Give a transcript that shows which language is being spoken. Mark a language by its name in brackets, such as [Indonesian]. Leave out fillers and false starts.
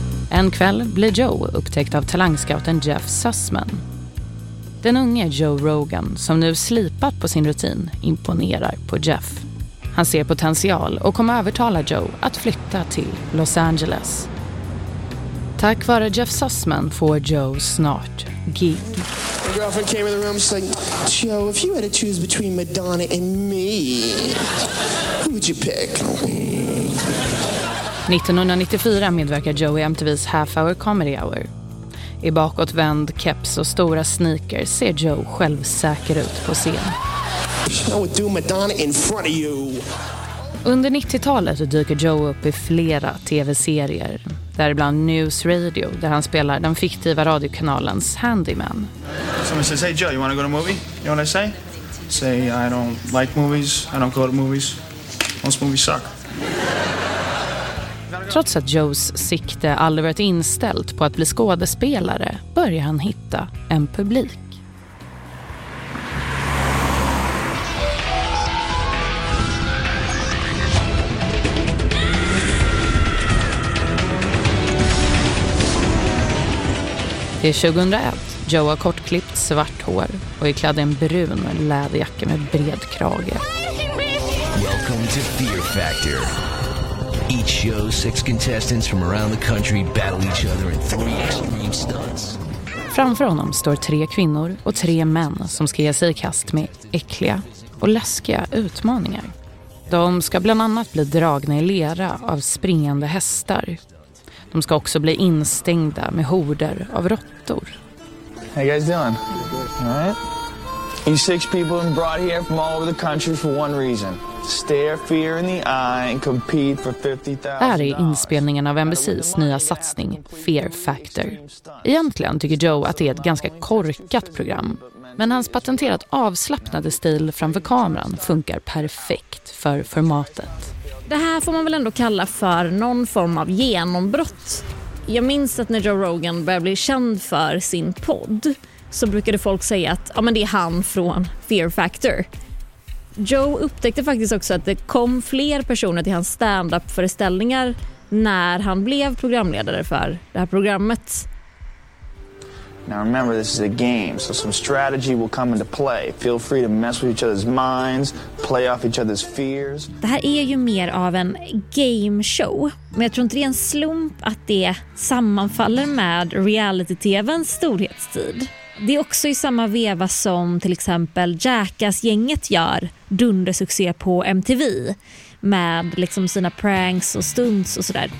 [Swedish] En kväll blir Joe upptäckt av talangscouten Jeff Sussman. Den unge Joe Rogan, som nu slipat på sin rutin, imponerar på Jeff. Han ser potential och kommer övertala Joe att flytta till Los Angeles. Tack vare Jeff Sussman får Joe snart gig. [English] My girlfriend came in the room, she's like, Joe, if you had to choose between Madonna and me, who would you pick? [Swedish] 1994 medverkar Joe i MTV's Half Hour Comedy Hour. I bakåtvänd keps och stora sneakers ser Joe självsäker ut på scen. [English] I would do Madonna in front of you. [Swedish] Under 90-talet dyker Joe upp i flera tv-serier. Däribland News Radio, där han spelar den fiktiva radiokanalens handyman. [English] Someone says, hey Joe, you want to go to a movie? You know what I say? Say, I don't like movies. I don't go to movies. Most movies suck. [Swedish] Trots att Joes sikte aldrig varit inställt på att bli skådespelare börjar han hitta en publik. Det är 2001. Joe har kortklippt svart hår och är klädd i en brun läderjacka med bred krage. [English] Welcome to Fear Factor. Each show, six contestants from around the country battle each other in three extreme stunts. [Swedish] Framför honom står tre kvinnor och tre män som ska ge sig i kast med äckliga och läskiga utmaningar. De ska bland annat bli dragna i lera av springande hästar. De ska också bli instängda med horder av råttor. [English] How you guys doing? All right. These six people have been brought here from all over the country for one reason. Stare fear in the eye and compete for $50,000. [Swedish] Här är inspelningen av NBC:s nya satsning Fear Factor. Egentligen tycker Joe att det är ett ganska korkat program. Men hans patenterat avslappnade stil framför kameran funkar perfekt för formatet. Det här får man väl ändå kalla för någon form av genombrott. Jag minns att när Joe Rogan började bli känd för sin podd så brukade folk säga att ja, men det är han från Fear Factor. Joe upptäckte faktiskt också att det kom fler personer till hans stand-up-föreställningar när han blev programledare för det här programmet. [English] Now remember, this is a game, so some strategy will come into play. Feel free to mess with each other's minds, play off each other's fears. [Swedish] Det här är ju mer av en game show, men jag tror inte det är en slump att det sammanfaller med reality-tvns storhetstid. Det är också i samma veva som till exempel Jackass-gänget gör dundersuccé på MTV med liksom sina pranks och stunts och sådär.